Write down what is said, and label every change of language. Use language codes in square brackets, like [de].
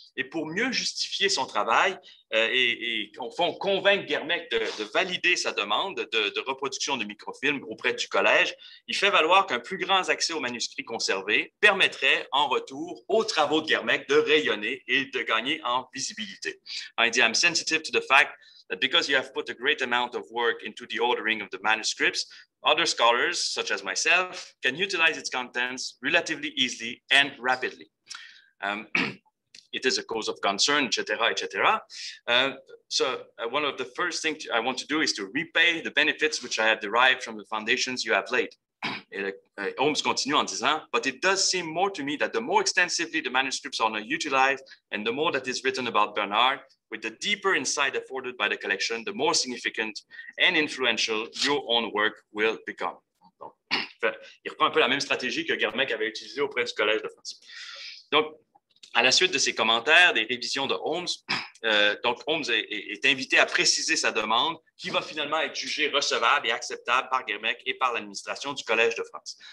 [fr] Et pour mieux justifier son travail et convaincre Guermec de valider sa demande de reproduction de microfilms auprès du collège, il fait valoir qu'un plus grand accès aux manuscrits conservés permettrait, en retour, aux travaux de Guermec de rayonner et de gagner en visibilité. Il dit [en] « I'm sensitive to the fact that because you have put a great amount of work into the ordering of the manuscripts, other scholars, such as myself, can utilize its contents relatively easily and rapidly. it is a cause of concern, etc., etc. One of the first things I want to do is to repay the benefits which I have derived from the foundations you have laid. [fr] Holmes continue en disant, [en] but it does seem more to me that the more extensively the manuscripts are now utilized and the more that is written about Bernard, with the deeper insight afforded by the collection, the more significant and influential your own work will become. [fr] Donc, il reprend un peu la même stratégie que Guermec avait utilisée auprès du Collège de France. Donc, à la suite de ces commentaires, des révisions de Holmes, Holmes est invité à préciser sa demande, qui va finalement être jugée recevable et acceptable par Guermec et par l'administration du Collège de France.